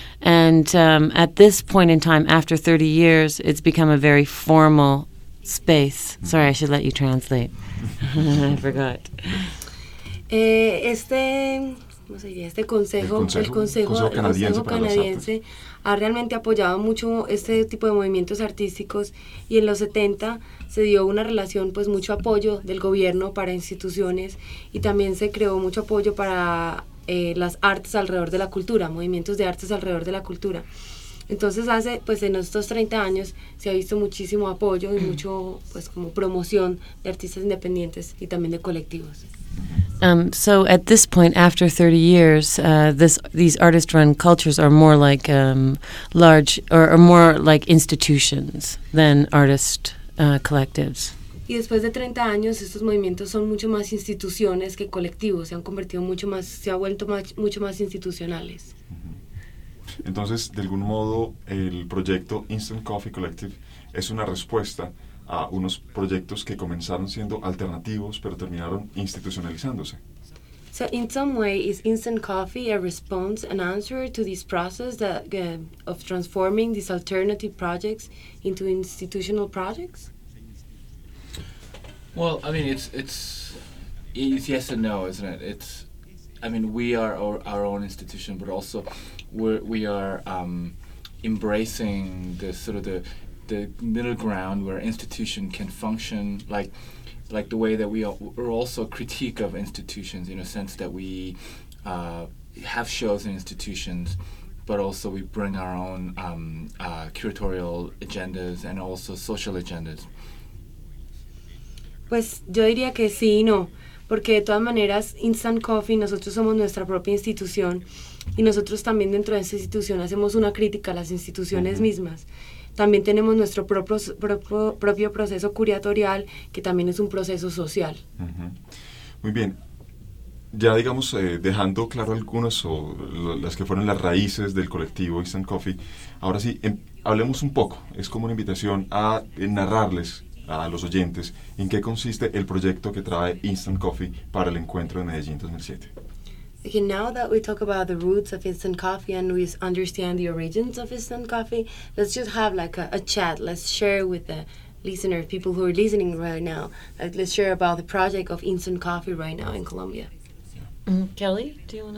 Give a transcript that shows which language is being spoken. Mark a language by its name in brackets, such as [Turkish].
[English] And at this point in time, after 30 years, it's become a very formal space. Sorry, I should let you translate. I forgot. [Spanish] Este consejo canadiense ha realmente apoyado mucho este tipo de movimientos artísticos, y en los 70 se dio una relación, pues mucho apoyo del gobierno para instituciones, y también se creó mucho apoyo para las artes alrededor de la cultura, movimientos de artes alrededor de la cultura. Entonces hace, pues en estos 30 años se ha visto muchísimo apoyo y mucho, pues como promoción de artistas independientes y también de colectivos. [English] So at this point, after 30 years, these artist-run cultures are more like large or more like institutions than artist collectives. [Spanish] Y después de 30 años, estos movimientos son mucho más instituciones que colectivos. Se han convertido mucho más, se ha vuelto más, mucho más institucionales. Entonces, de algún modo, el proyecto Instant Coffee Collective es una respuesta a unos proyectos que comenzaron siendo alternativos pero terminaron institucionalizándose. [English] So in some way is Instant Coffee a response, an answer to this process that of transforming these alternative projects into institutional projects? Well, I mean it's yes and no, isn't it? It's, I mean, we are our own institution, but also we are embracing the middle ground where institution can function, like the way that we are also critique of institutions, in a sense that we have shows in institutions, but also we bring our own curatorial agendas and also social agendas. [Spanish] Pues yo diría que sí y no, porque de todas maneras Instant Coffee, nosotros somos nuestra propia institución, y nosotros también dentro de esa institución hacemos una crítica a las instituciones uh-huh. mismas. También tenemos nuestro propio proceso curatorial, que también es un proceso social. Uh-huh. Muy bien. Ya, digamos, dejando claro algunas o las que fueron las raíces del colectivo Instant Coffee, ahora sí, hablemos un poco. Es como una invitación a narrarles a los oyentes en qué consiste el proyecto que trae Instant Coffee para el encuentro de Medellín 2007. [English] Okay, now that we talk about the roots of Instant Coffee and we understand the origins of Instant Coffee, let's just have like a chat. Let's share with the listeners, people who are listening right now, let's share about the project of Instant Coffee right now in Colombia. Mm-hmm. Kelly, do you want